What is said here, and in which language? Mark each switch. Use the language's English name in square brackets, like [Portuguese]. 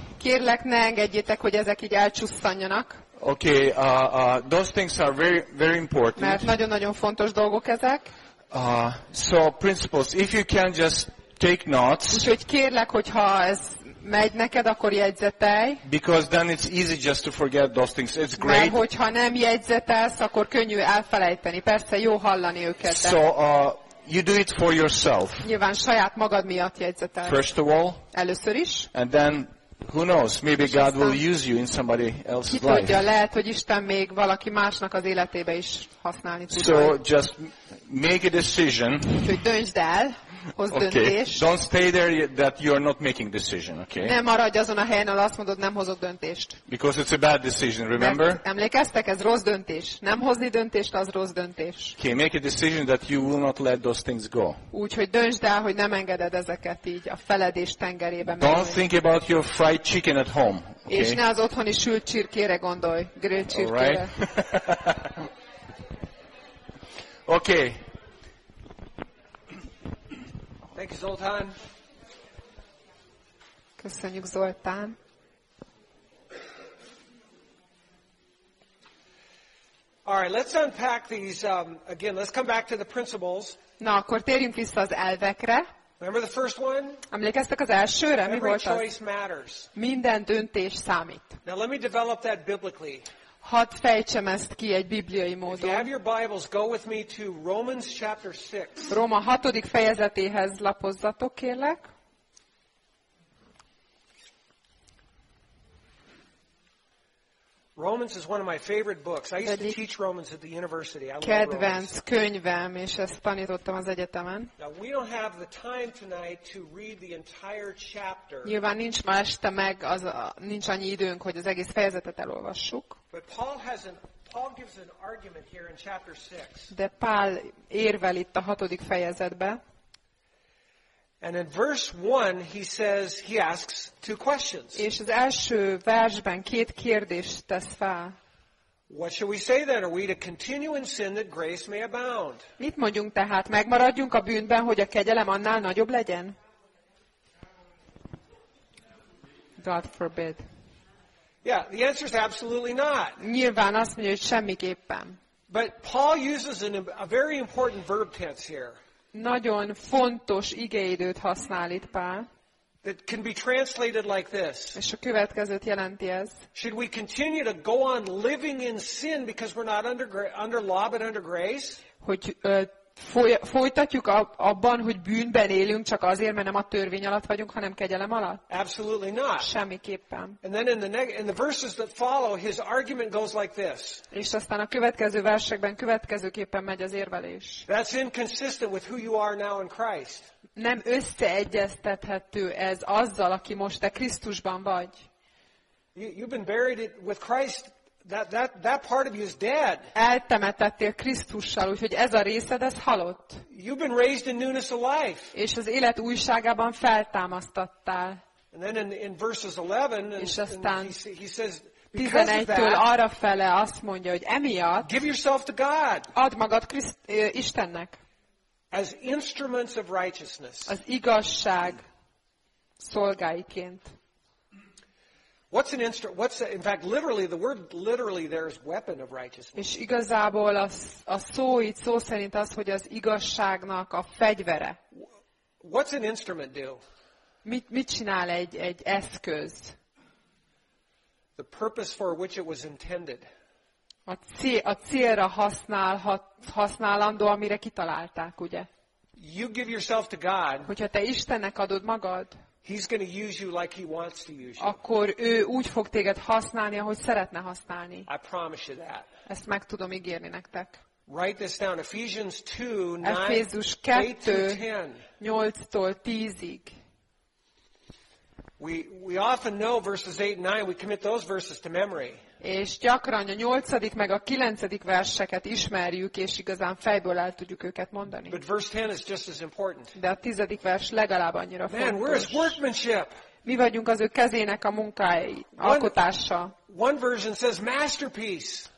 [Hungarian] Kérlek, ne engedjétek, hogy ezek így elcsusszanjanak. [English] Okay, those things are very very important. [Hungarian] Mert nagyon-nagyon fontos dolgok ezek. [English] So principles, if you can just take notes. Úgyhogy kérlek, hogyha ez megy neked, akkor jegyzetelj. Because then it's easy just to forget those things. It's great. [Hungarian] Mert hogyha nem jegyzetelsz, akkor könnyű elfelejteni. Persze jó hallani őket. [English] So you do it for yourself. [Hungarian] Nyilván saját magad miatt jegyzetelsz. [English] First of all. [Hungarian] Először is. [English] And then who knows? Maybe God will use you in somebody else's life. [Hungarian] Ki tudja, lehet, hogy Isten még valaki másnak az életébe is használni tudja. [English] So just make a decision. [Hungarian] Úgyhogy döntsd el. [English] Okay. Don't stay there that you are not making decision, okay? [Hungarian] Nem maradj azon a helyen, ahol azt mondod, nem hozok döntést. [English] Because it's a bad decision, remember? [Hungarian] Mert emlékeztek, ez rossz döntés. Nem hozni döntést, az rossz döntés. [English] Okay, make a decision that you will not let those things go. [Hungarian] Úgyhogy döntsd el, hogy nem engeded ezeket így a feledés tengerébe menni. [English] Don't think about your fried chicken at home, okay? [Hungarian] És ne az otthoni sült csirkére gondolj, grill csirkére. [English] All right. Okay. Thank you, Zoltán. [Hungarian] Köszönjük, Zoltán. [English] All right, let's unpack these again. Let's come back to the principles. [Hungarian] Na, akkor térjünk vissza az elvekre. [English] Remember the first one? [Hungarian] Emlékeztek az elsőre, mi volt az? [English] Every choice matters. [Hungarian] Minden döntés számít. [English] Now let me develop that biblically. [Hungarian] Hadd fejtsem ezt ki egy bibliai módon. [English] If you have your Bibles, go with me to Romans chapter 6. [Hungarian] Róma 6. fejezetéhez lapozzatok, kérlek. [English] Romans is one of my favorite books. I used to teach Romans at the university. I love [Hungarian] kedvenc könyvem, és ezt tanítottam az egyetemen. [English] Now, we don't have the time tonight to read the entire chapter. [Hungarian] Nyilván nincs ma este meg, nincs annyi időnk, hogy az egész fejezetet elolvassuk. [English] But Paul gives an argument here in chapter 6. [Hungarian] De Pál érvel itt a 6. fejezetbe. [English] And in verse 1 he asks two questions. [Hungarian] És az első versben két kérdést tesz fel. [English] What shall we say then? Are we to continue in sin that grace may abound? [Hungarian] Mit mondjunk tehát? Megmaradjunk a bűnben, hogy a kegyelem annál nagyobb legyen? [English] God forbid. Yeah, the answer is absolutely not. [Hungarian] Nyilván azt mondja, hogy semmiképpen. [English] But Paul uses a very important verb tense here. [Hungarian] Nagyon fontos igeidőt használ itt Pál. [English] That can be translated like this. [Hungarian] És a következőt jelenti ez. [English] Should we continue to go on living in sin because we're not under law but under grace? [Hungarian] Hogy folytatjuk abban, hogy bűnben élünk, csak azért, mert nem a törvény alatt vagyunk, hanem kegyelem alatt? [English] Absolutely not. [Hungarian] Semmiképpen. [English] And then in the verses that follow, his argument goes like this. [Hungarian] És aztán a következő versekben következőképpen megy az érvelés. [English] That's inconsistent with who you are now in Christ. [Hungarian] Nem összeegyeztethető ez azzal, aki most te Krisztusban vagy. [English] You've been buried with Christ. That part of you is dead. [Hungarian] Eltemetettél Krisztussal, úgyhogy ez a részed, ez halott. [English] You've been raised in newness of life. [Hungarian] És az élet újságában feltámasztattál. [English] And then in verses 11, [Hungarian] és aztán [English] he says, [Hungarian] 11-től arra fele azt mondja, hogy emiatt [English] give yourself to God. [Hungarian] Add magad Istennek. [English] As instruments of righteousness. [Hungarian] Az igazság szolgáiként. [English] What's an instrument? In fact, literally, the word literally there is weapon of righteousness. [Hungarian] És igazából a szó itt szó szerint az, hogy az igazságnak a fegyvere. [English] What's an instrument do? [Hungarian] Mit csinál egy eszköz? [English] The purpose for which it was intended. [Hungarian] A célra használandó, amire kitalálták, ugye? [English] You give yourself to God. [Hungarian] Hogyha te Istennek adod magad. [English] He's going to use you like he wants to use you. [Hungarian] Akkor ő úgy fog téged használni, ahogy szeretne használni. [English] I promise you that. [Hungarian] Ezt meg tudom ígérni nektek. [English] Write this down. Ephesians 2, 8-10. We often know verses 8 and 9. We commit those verses to memory. [Hungarian] És gyakran a 8. meg a 9. verseket ismerjük, és igazán fejből el tudjuk őket mondani. [English] But verse 10 is just as important. [Hungarian] De a 10. vers legalább annyira fontos. Mi vagyunk az ő kezének a munkái, alkotása. [English] One version says masterpiece.